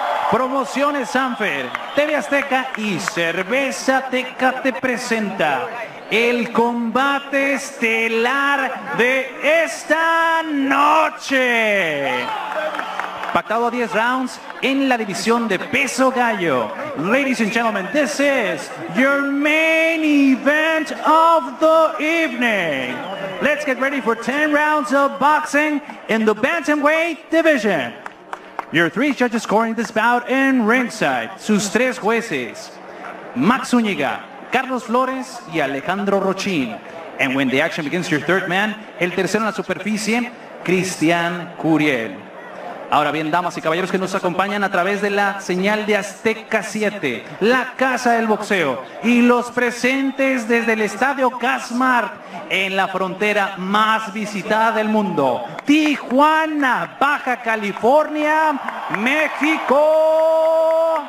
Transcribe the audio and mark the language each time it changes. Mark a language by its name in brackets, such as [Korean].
[Spanish] Promociones Sanfer, TV Azteca y Cerveza Tecate presenta el combate estelar de esta noche. Pactado a 10 rounds en la división de peso gallo. [English] Ladies and gentlemen, this is your main event of the evening. Let's get ready for 10 rounds of boxing in the bantamweight division. Your three judges scoring this bout in ringside. [Spanish] Sus tres jueces, Max Zúñiga, Carlos Flores y Alejandro Rochín. [English] And when the action begins, your third man, [Spanish] el tercero en la superficie, [English] Cristian Curiel. [Spanish] Ahora bien, damas y caballeros que nos acompañan a través de la señal de Azteca 7, la casa del boxeo, y los presentes desde el Estadio Gasmar, en la frontera más visitada del mundo, Tijuana, Baja California, México.